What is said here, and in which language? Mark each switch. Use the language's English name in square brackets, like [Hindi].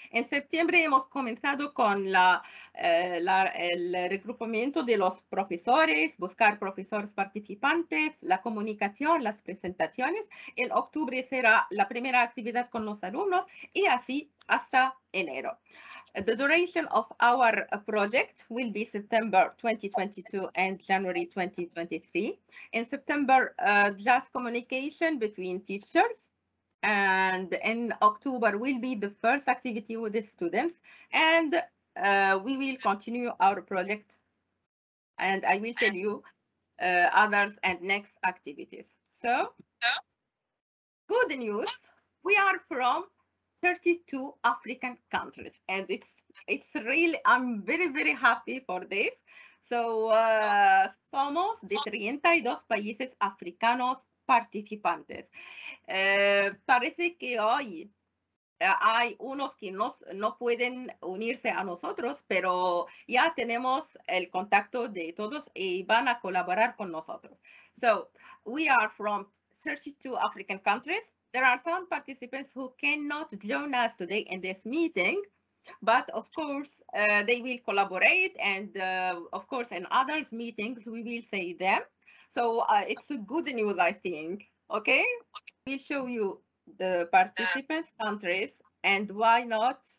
[Spanish] En septiembre hemos comenzado con el reclutamiento de los profesores, buscar profesores participantes, la comunicación, las presentaciones. En octubre será la primera actividad con los alumnos y así hasta enero. [English] The duration of our project will be September 2022 and January 2023. In September, just communication between teachers. And in October will be the first activity with the students, and we will continue our project, and I will tell you others and next activities. So, good news, we are from 32 African countries, and it's really, I'm very, very happy for this. [Spanish] So, somos de 32 países africanos participantes. Parece que hoy hay unos que no pueden unirse a nosotros, pero ya tenemos el contacto de todos y van a colaborar con nosotros. [English] So, we are from 32 African countries. There are some participants who cannot join us today in this meeting, but of course, they will collaborate, and of course, in others' meetings, we will see them. So it's a good news, I think. Okay, we'll show you the participants' countries, and why not?